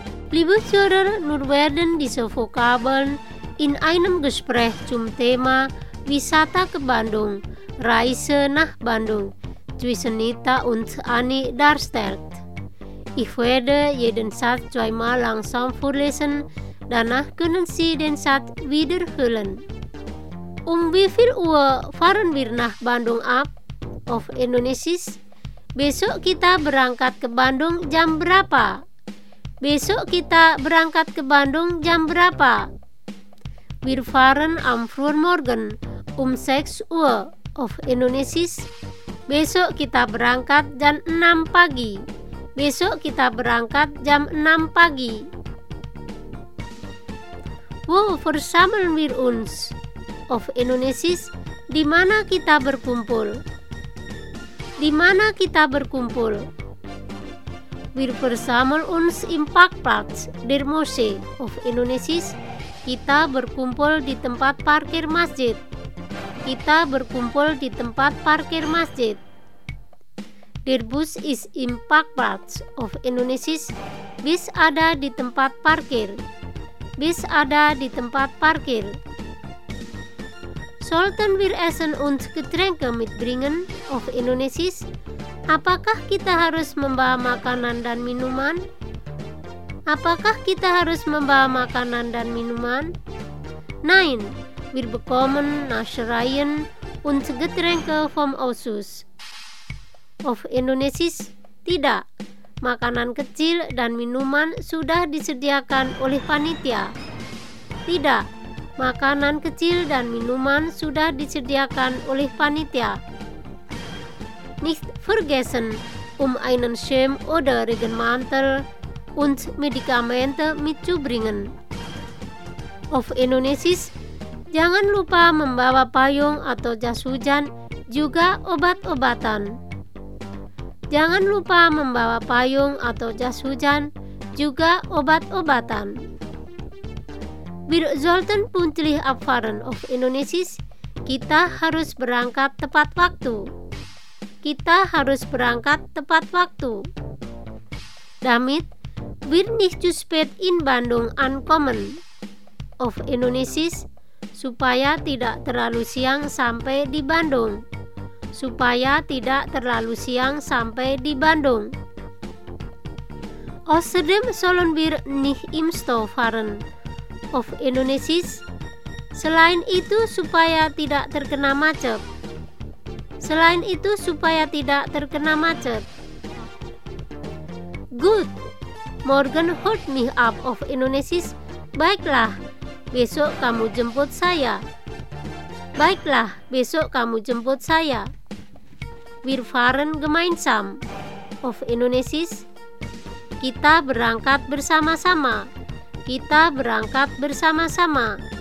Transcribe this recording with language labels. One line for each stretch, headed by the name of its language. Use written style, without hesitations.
German: Liebe Hörer, nur werden diese Vokabeln in einem Gespräch zum Thema
Indonesian: Wisata ke Bandung,
German: Reise nach Bandung, zwischen Nita und Ani darstellt. Ich werde jeden Satz zweimal langsam vorlesen, danach können Sie den Satz wiederholen. Wie viel Uhr fahren wir nach Bandung ab? Auf Indonesisch.
Indonesian: Besok kita berangkat ke Bandung jam berapa? Besok kita berangkat ke Bandung jam berapa?
German: Wir fahren am Frühmorgen 6 Uhr auf Indonesisch.
Indonesian: Besok kita berangkat jam 6 pagi. Besok kita berangkat jam 6 pagi.
German: Wo versammeln wir uns? Auf Indonesisch.
Indonesian: Di mana kita berkumpul? Di mana kita berkumpul?
German: Wir versammeln uns im Parkplatz der Moschee. Auf Indonesisch.
Indonesian: Kita berkumpul di tempat parkir masjid. Kita berkumpul di tempat parkir masjid.
German: Der Bus ist im Parkplatz auf Indonesisch.
Indonesian: Bis ada di tempat parkir. Bis ada di tempat parkir.
German: Sollten wir Essen und Getränke mitbringen auf Indonesisch?
Indonesian: Apakah kita harus membawa makanan dan minuman? Apakah kita harus membawa makanan dan minuman?
German: Nein, wir bekommen Naschereien und Getränke vom Ausschuss. Of Indonesisch,
Indonesian: tidak. Makanan kecil dan minuman sudah disediakan oleh panitia. Tidak. Makanan kecil dan minuman sudah disediakan oleh panitia.
German: Nicht vergessen, einen Schirm oder Regenmantel und Medikamente mitzubringen. Of Indonesisch,
Indonesian: jangan lupa membawa payung atau jas hujan, juga obat-obatan. Jangan lupa membawa payung atau jas hujan, juga obat-obatan.
German: Wir sollten pünktlich abfahren auf Indonesisch.
Indonesian: Kita harus berangkat tepat waktu. Kita harus berangkat tepat waktu.
German: Damit wir nicht zu spät in Bandung ankommen. Auf Indonesisch.
Indonesian: Supaya tidak terlalu siang sampai di Bandung. Supaya tidak terlalu siang sampai di Bandung.
German: Außerdem sollen wir nicht im Stau fahren. Auf Indonesisch.
Indonesian: Selain itu supaya tidak terkena macet. Selain itu supaya tidak terkena macet.
German: Gut. Morgen holt mich ab auf Indonesisch.
Indonesian: Baiklah. Besok kamu jemput saya. Baiklah, besok kamu jemput saya.
German: Wir fahren gemeinsam auf Indonesisch.
Indonesian: Kita berangkat bersama-sama. Kita berangkat bersama-sama.